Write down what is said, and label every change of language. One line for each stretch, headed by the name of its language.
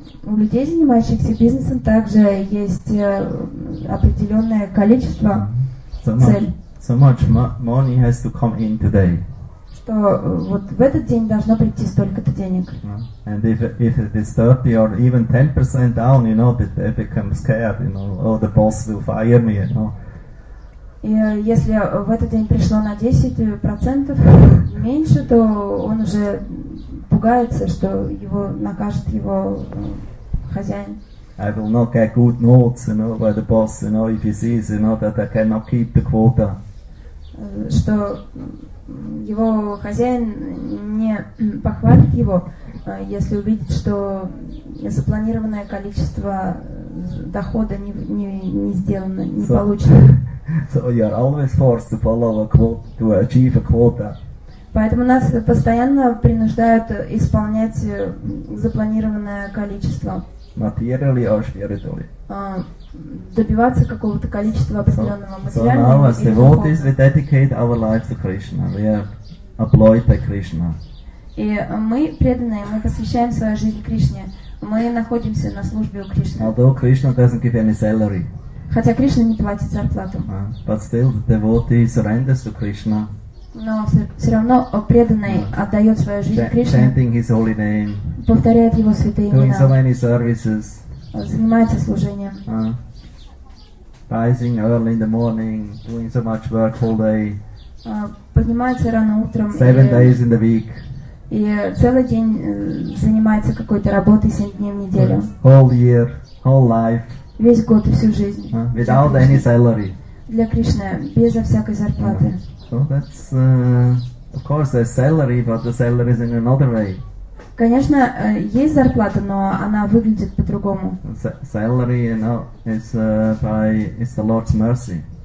Russian: У людей, занимающихся бизнесом, также есть определенное количество, цель.
English: So much money has to come in today.
Russian: что вот в этот день должно прийти столько-то денег.
English: And if it is 30 or even 10% down, you know, it becomes scared, you know, oh, the boss will fire me, you know.
Russian: И если в этот день пришло на 10% меньше, то он уже пугается, что его накажет его хозяин.
English: I will not get good notes, you know, by the boss, you know, if he sees, you know, that I cannot keep the quota.
Russian: Что его хозяин не похвалит его, если увидит, что запланированное количество дохода не сделано, не получено.
English: So you are always forced to follow a quota, to achieve a quota.
Russian: Поэтому нас постоянно принуждают исполнять запланированное количество.
English: Materially or spiritually.
Russian: Добиваться какого-то количества определенного материального.
English: So now as devotees, we dedicate our lives to Krishna. We are employed by Krishna.
Russian: И мы преданные, мы посвящаем свою жизнь Кришне. Мы находимся на службе у Кришны.
English: Although Krishna doesn't give any salary.
Russian: Хотя Кришна не платит зарплату.
English: But still, the devotee surrenders to Krishna.
Russian: Но все равно преданный отдает свою жизнь Кришне.
English: Chanting his holy name.
Russian: Повторяет его святые имена.
English: Doing so many services.
Russian: Занимается служением.
English: Rising early in the morning, doing so much work all day.
Russian: Поднимается рано утром.
English: Seven days in the week.
Russian: И целый день занимается какой-то работой, 7 дней в неделю.
English: Whole year, whole life.
Russian: Весь год и всю жизнь.
English: Without any salary.
Russian: Для Кришны, безо всякой зарплаты.
English: So that's, of course, there's salary, but the salary is in another way.
Russian: Конечно, есть зарплата, но она выглядит по-другому.
English: Salary, you know, is by is the Lord's mercy.